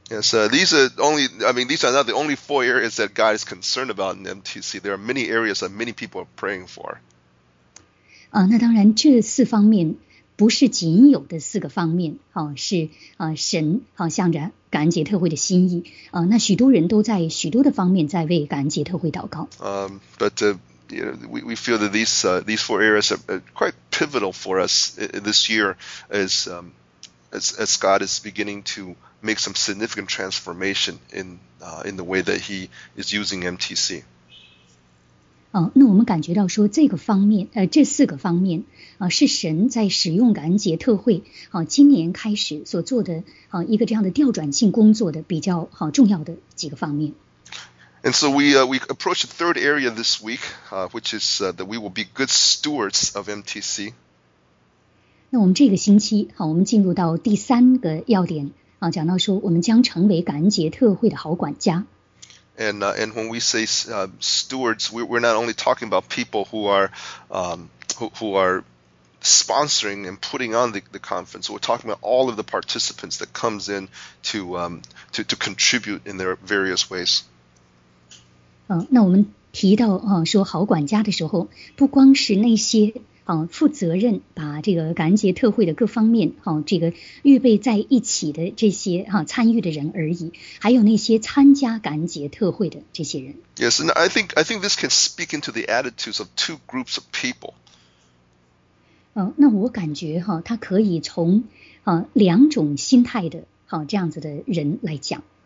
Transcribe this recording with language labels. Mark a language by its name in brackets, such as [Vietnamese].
[English] Yes, these are not the only four areas that God is concerned about in MTC. There are many areas that many people are praying for. [Chinese] 那当然这四方面不是仅有的四个方面是神向着感恩节特会的心意那许多人都在许多的方面在为感恩节特会祷告。 [English] You know, we feel that these four areas are quite pivotal for us this year as God is beginning to make some significant transformation in the way that He is using MTC. [Chinese] 那我们感觉到说这个方面这四个方面是神在使用感恩节特会今年开始所做的一个这样的调转性工作的比较重要的几个方面。 [English] And so we approach the third area this week, which is that we will be good stewards of MTC. [Chinese] 那我们这个星期，我们进入到第三个要点，讲到说我们将成为感恩节特会的好管家。 [English] And when we say stewards, we're not only talking about people who are sponsoring and putting on the conference. We're talking about all of the participants that comes in to contribute in their various ways. [Chinese] 那我们提到说好管家的时候，不光是那些负责任把这个感恩节特会的各方面这个预备在一起的这些参与的人而已，还有那些参加感恩节特会的这些人。 [English] Yes, and I think this can speak into the attitudes of two groups of people. [Chinese] 那我感觉它可以从两种心态的这样子的人来讲。